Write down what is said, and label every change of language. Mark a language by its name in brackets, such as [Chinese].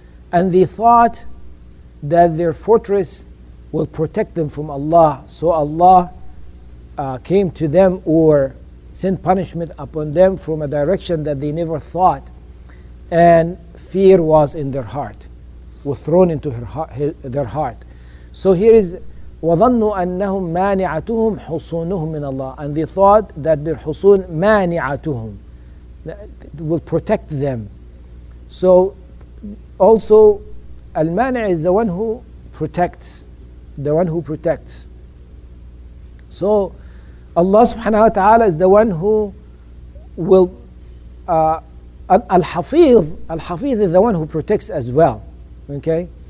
[English] And they thought that their fortress will protect them from Allah. So Allah came to them or sent punishment upon them from a direction that they never thought, and fear was in their heart, was thrown into their heart. So here is, [Arabic] وَظَنُّوا أَنَّهُمْ مَانِعَتُهُمْ حُصُونُهُمْ مِنَ اللَّهِ. [English] And they thought that their [Arabic] حُصُون مَانِعَتُهُمْ [English] will protect them. So also, المانِع is the one who protects, the one who protects. So Allah subhanahu wa ta'ala is the one who will, Al-Hafiz is the one who protects as well, okay?